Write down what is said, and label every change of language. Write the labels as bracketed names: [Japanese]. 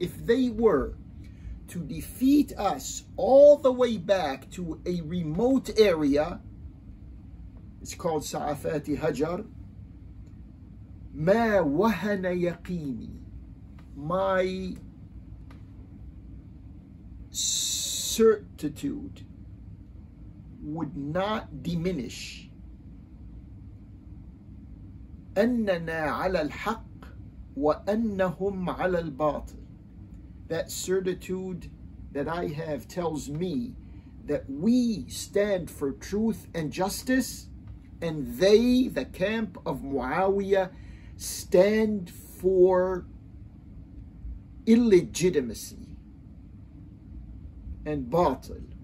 [English] If they were to defeat us all the way back to a remote area, it's called سعفات هجر, [Arabic] ما وهن يقيني. [English] My certitude would not diminish. [Arabic] أننا على الحق وأنهم على الباطل. [English] That certitude that I have tells me that we stand for truth and justice, and they, the camp of Muawiyah, stand for illegitimacy and batil.